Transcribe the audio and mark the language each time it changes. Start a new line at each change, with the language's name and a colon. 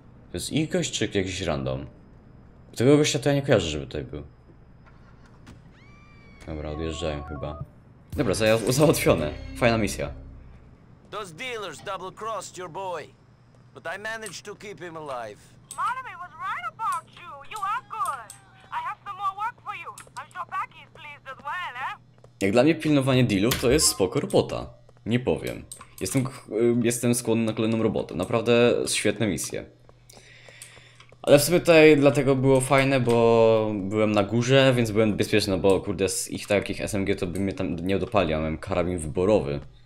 Polish: To jest ich gość, czy jakiś random? Tego gościa to ja nie kojarzę, żeby tutaj był. Dobra, odjeżdżają chyba. Dobra, załatwione. Fajna misja.
English: Those dealers double crossed your boy. But I managed to keep him alive. Monami was right about you. You are good. I have some more work for you. I'm sure Paki is pleased as well, eh?
Polish: Jak dla mnie pilnowanie dealów to jest spoko robota. Nie powiem. Jestem skłonny na kolejną robotę. Naprawdę świetne misje. Ale w sumie tutaj dlatego było fajne, bo byłem na górze, więc byłem bezpieczny, bo kurde, z ich takich SMG to by mnie tam nie dopali, a miałem karabin wyborowy.